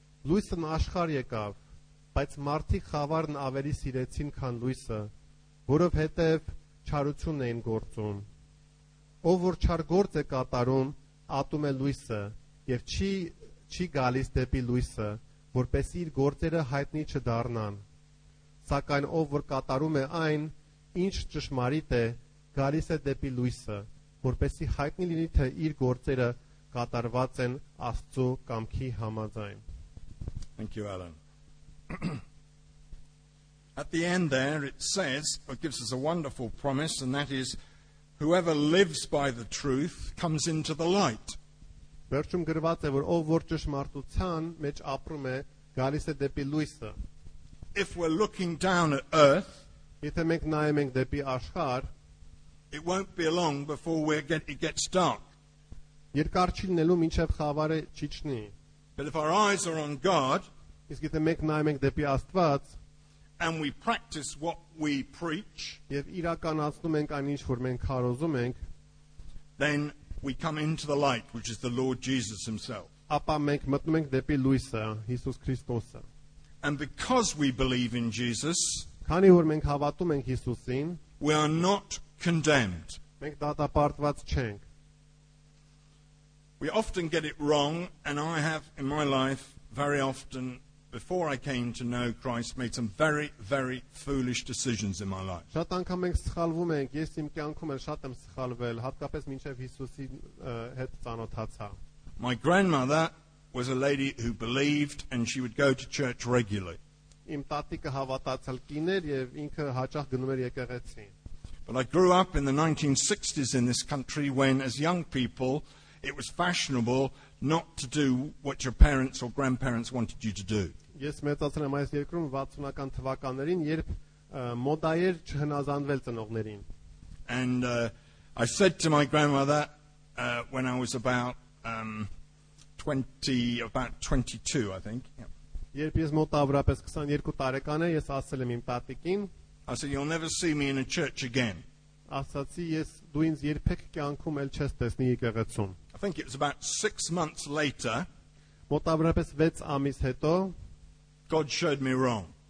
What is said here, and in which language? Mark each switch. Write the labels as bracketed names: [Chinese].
[Armenian] լույսն աշխարհ եկավ, բայց մարդիկ խավարն ավելի սիրեցին, քան լույսը, որովհետև չարություն էին գործում։ Ով որ չար գործ է կատարում, ատում է լույսը, եւ չի գալիս դեպի լույսը, որպեսզի իր գործերը հայտնի չդառնան։ Սակայն ով որ կատարում է այն, ինչ ճշմարիտ է, գալիս է դեպի լույսը, որպեսզի հայտնի լինի, թե իր գործերը կատարված են Աստծո կամքի համաձայն։ [English] Thank you, Alan. At the end there it says, it gives us a wonderful promise, and that is, whoever lives by the truth comes into the light. [Armenian] Վերջում գրված է, որ ով որ ճշմարտության մեջ ապրում է, գալիս է դեպի լույսը։ [English] If we're looking down at earth, [Armenian] եթե մենք նայում ենք դեպի աշխարհ, [English] it won't be long before it gets dark. [Armenian] Երկար չի լինելու, մինչև խավարը չիջնի. [English] But if our eyes are on God, [Armenian] իսկ եթե մենք նայում ենք դեպի Աստված, [English] and we practice what we preach, [Armenian] եւ իրականացնում ենք այն, ինչ որ մենք քարոզում ենք, [English] then we come into the light, which is the Lord Jesus himself. [Armenian] Ապա մենք մտնում ենք դեպի լույսը, Հիսուս Քրիստոսը. [English] And because we believe in Jesus, [Armenian] քանի որ մենք հավատում ենք Հիսուսին, [English] we are not condemned. [Armenian] Մենք դատապարտված չենք. [English] We often get it wrong, and I have in my life very often before I came to know Christ made some very very foolish decisions in my life. [Armenian] Շատ անգամ մենք սխալվում ենք, ես իմ կյանքում էլ շատ եմ սխալվել, հատկապես մինչև Հիսուսի հետ ծանոթացա. [English] My grandmother was a lady who believed and she would go to church regularly. [Armenian] Իմ տատիկը հավատացել կիներ եւ ինքը հաճախ գնում էր եկեղեցին. [English] But I grew up in the 1960s in this country when as young people it was fashionable not to do what your parents or grandparents wanted you to do. [Armenian] Ես մեծացել եմ այս երկրում 60-ական թվականներին, երբ մոդա էր չհնազանդվել ծնողներին. [English] And I said to my grandmother when I was about 22, I think. Yeah. I said, you'll never see me in a church again. I think it was about 6 months later, God showed me wrong.